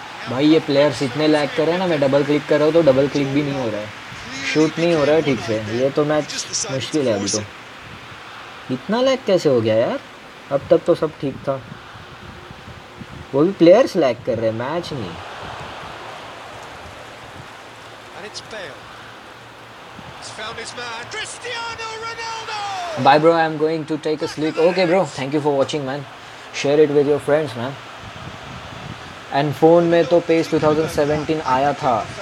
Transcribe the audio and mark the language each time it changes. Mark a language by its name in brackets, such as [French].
[Hindi] भाई ये प्लेयर्स इतने लैग कर रहे हैं ना, मैं डबल क्लिक कर रहा हूँ तो डबल क्लिक भी नहीं हो रहा है, शूट नहीं हो रहा है ठीक से. ये तो मैच मुश्किल है अभी तो. इतना लैग कैसे हो गया यार, अब तक तो सब ठीक था. वो भी प्लेयर्स लैग कर रहे हैं, मैच नहीं. [English] And it's Bale. He's found his man, Cristiano Ronaldo. Bye bro, I'm going to take a sleep. Okay bro, thank you for watching man. Share it with your friends man. [Hindi] And phone में तो Pace 2017 आया था.